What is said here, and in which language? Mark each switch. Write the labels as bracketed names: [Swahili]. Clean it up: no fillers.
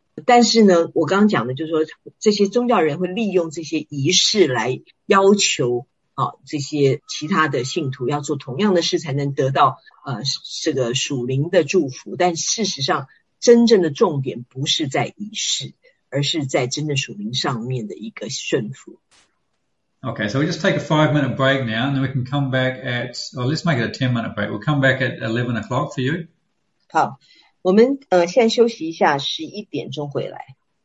[Chinese] 但是呢，我刚刚讲的就是说，这些宗教人会利用这些仪式来要求这些其他的信徒要做同样的事，才能得到这个属灵的祝福。但事实上，真正的重点不是在仪式，而是在真的属灵上面的一个顺服。 [English] Okay, so we'll just take a 5 minute break now, and then we can come back at, or let's make it a 10 minute break. We'll come back at 11 o'clock for you. [Chinese] 好，我们现在休息一下，11点钟回来。